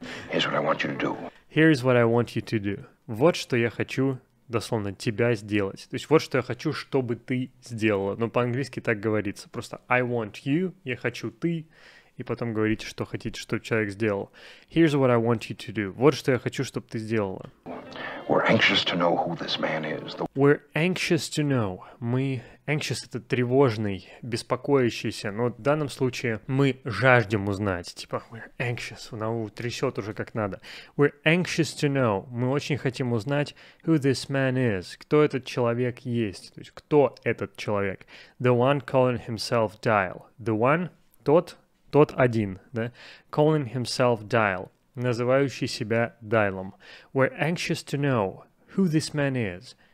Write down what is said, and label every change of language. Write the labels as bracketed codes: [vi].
[en] Here's what I want you to do. Here's what I want you to do. [ru] Вот что я хочу, дословно, тебя сделать. То есть вот что я хочу, чтобы ты сделала. Но по-английски так говорится. Просто [en] I want you, [ru] я хочу ты. И потом говорите, что хотите, чтобы человек сделал. [en] Here's what I want you to do. [ru] Вот что я хочу, чтобы ты сделала. [en] We're anxious to know who this man is. We're anxious to know. [ru] Мы [en] anxious — [ru] это тревожный, беспокоящийся. Но в данном случае мы жаждем узнать. Типа [en] we're anxious. [ru] Она трясет уже как надо. [en] We're anxious to know. [ru] Мы очень хотим узнать [en] who this man is. [ru] Кто этот человек есть. То есть кто этот человек. [en] The one calling himself Dial. The one — [ru] тот. Тот один, да? [en] Calling himself Dial. [ru] Называющий себя Дайлом. [en] We're anxious to know who this man is.